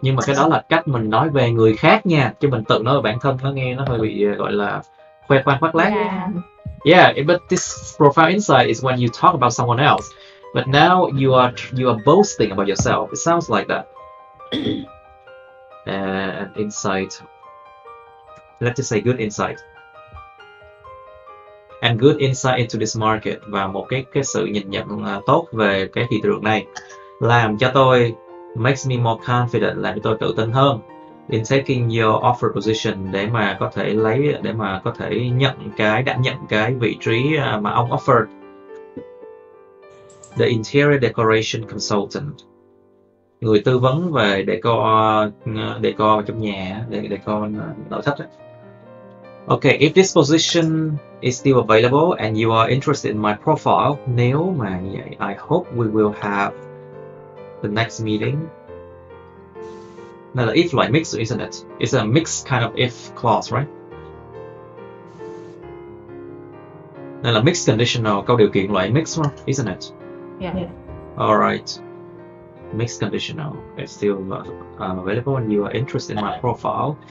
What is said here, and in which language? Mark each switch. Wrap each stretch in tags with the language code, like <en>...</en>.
<vi>Nhưng mà cái đó là cách mình nói về người khác nha. Chứ mình tự nói về bản thân nó nghe nó hơi bị gọi là khoe khoang khoác lác.</vi> <en>Yeah. Yeah, but this profound insight is when you talk about someone else. But now you are boasting about yourself. It sounds like that. And insight. Let's just say good insight. And good insight into this market,</en> <vi>và một cái sự nhìn nhận tốt về cái thị trường này làm cho tôi</vi> <en>makes me more confident,</en> <vi>làm cho tôi tự tin hơn</vi> <en>in taking your offer position,</en> <vi>để mà có thể lấy, để mà có thể nhận cái, đảm nhận cái vị trí mà ông offered.</vi> <en>The interior decoration consultant,</en> <vi>người tư vấn về decor trong nhà, decor nội thất ấy.</vi> <en>Okay, if this position is still available and you are interested in my profile,</en> <vi>nếu mà</vi> <en>I hope we will have the next meeting. Now the if like mix, isn't it? It's a mixed kind of if clause, right? Now the mixed conditional,</en> <vi>câu điều kiện loại mix,</vi> <en>isn't it? Yeah. All right. Mixed conditional. It's still available and you are interested in my profile.</en>